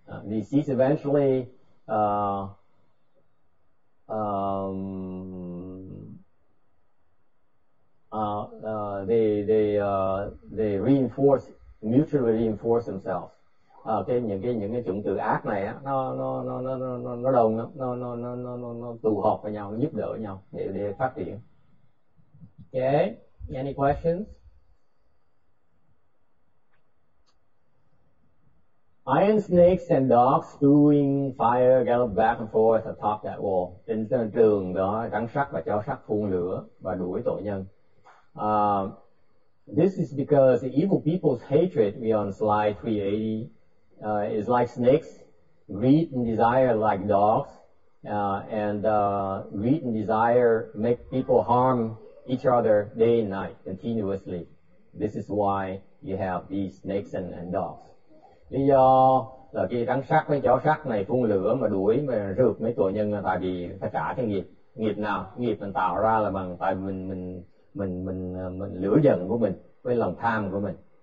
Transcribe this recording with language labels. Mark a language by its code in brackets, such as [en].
[en] The seeds eventually they reinforce, mutually reinforce themselves. [vi] Những cái chủng tử ác này á, nó đồng lắm, nó tụ họp với nhau, giúp đỡ nhau để phát triển. [en] Okay, any questions? Iron snakes and dogs spewing fire gallop back and forth atop that wall. [vi] Trên cái tường đó, rắn sắt và chó sắt phun lửa và đuổi tội nhân. [en] This is because the evil people's hatred beyond slide 380 is like snakes, greed and desire like dogs, and greed and desire make people harm each other day and night continuously. This is why you have these snakes and dogs. [vi] Lý do là cái rắn sắt với chó sắt này phun lửa mà đuổi mà rượt mấy tội nhân là tại vì tất cả cái nghiệp mình tạo ra là bằng tại mình lửa giận của mình với lòng tham của mình.